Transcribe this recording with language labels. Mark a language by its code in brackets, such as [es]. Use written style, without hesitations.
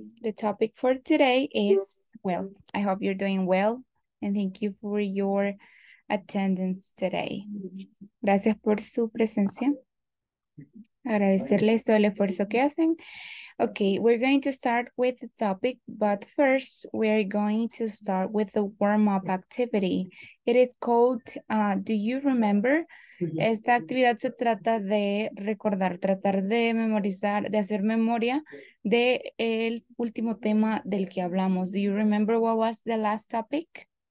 [en] The topic for today is, well, I hope you're doing well and thank you for your attendance today. [es] Gracias por su presencia. Agradecerles todo el esfuerzo que hacen. [en] Okay, we're going to start with the topic, but first we're going to start with the warm-up activity. It is called, do you remember? [es] Esta actividad se trata de recordar, tratar de memorizar, de hacer memoria de el último tema del que hablamos. [en] Do you remember what was the last topic?